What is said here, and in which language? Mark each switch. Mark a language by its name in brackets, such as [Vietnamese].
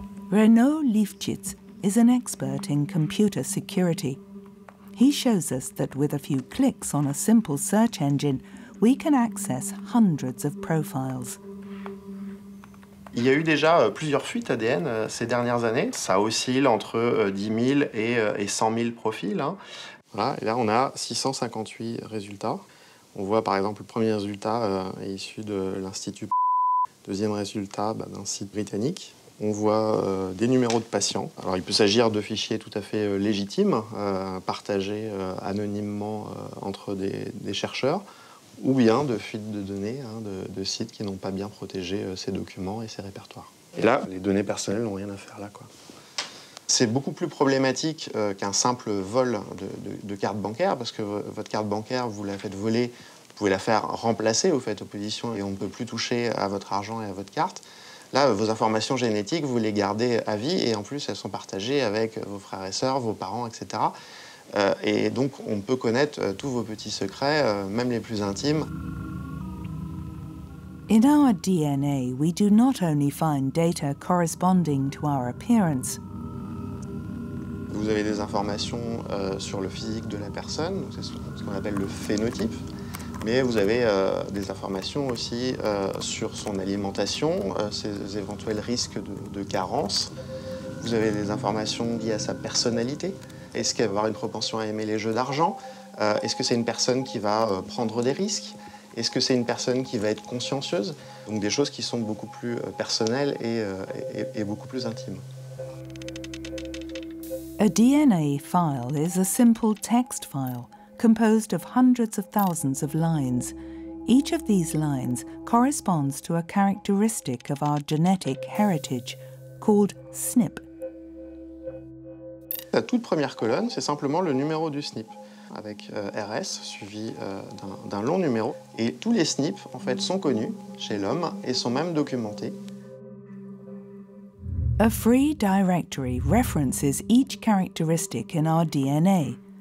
[English] Renaud Liefschitz is an expert in computer security. He shows us that with a few clicks on a simple search engine, we can access hundreds of profiles. [French] Il y a eu déjà plusieurs fuites ADN ces dernières années. Ça oscille entre 10 000 et 100 000 profils. Voilà, et là, on a 658 résultats. On voit, par exemple, le premier résultat est issu de l'Institut. Deuxième résultat, d'un site britannique. On voit des numéros de patients. Alors, il peut s'agir de fichiers tout à fait légitimes, partagés anonymement entre des chercheurs, ou bien de fuites de données, hein, de sites qui n'ont pas bien protégé ces documents et ces répertoires. Et là, les données personnelles n'ont rien à faire là, quoi. C'est beaucoup plus problématique qu'un simple vol de carte bancaire, parce que votre carte bancaire, vous la faites voler, vous pouvez la faire remplacer, vous faites opposition, et on ne peut plus toucher à votre argent et à votre carte. Là, vos informations génétiques, vous les gardez à vie, et en plus, elles sont partagées avec vos frères et sœurs, vos parents, etc. Et donc, on peut connaître tous vos petits secrets, même les plus intimes. [English] In our DNA, we do not only find data corresponding to our appearance. [French] Vous avez des informations sur le physique de la personne, c'est ce qu'on appelle le phénotype, mais vous avez des informations aussi sur son alimentation, ses éventuels risques de carence. Vous avez des informations liées à sa personnalité. Est-ce qu'elle va avoir une propension à aimer les jeux d'argent? Est-ce que c'est une personne qui va prendre des risques? Est-ce que c'est une personne qui va être consciencieuse? Donc des choses qui sont beaucoup plus personnelles et beaucoup plus intimes. [English] A DNA file is a simple text file composed of hundreds of thousands of lines. Each of these lines corresponds to a characteristic of our genetic heritage called SNP. [French] La toute première colonne, c'est simplement le numéro du SNP, avec RS suivi d'un long numéro. Et tous les SNP, en fait, sont connus chez l'homme et sont même documentés. [English] A free directory references each characteristic in our DNA.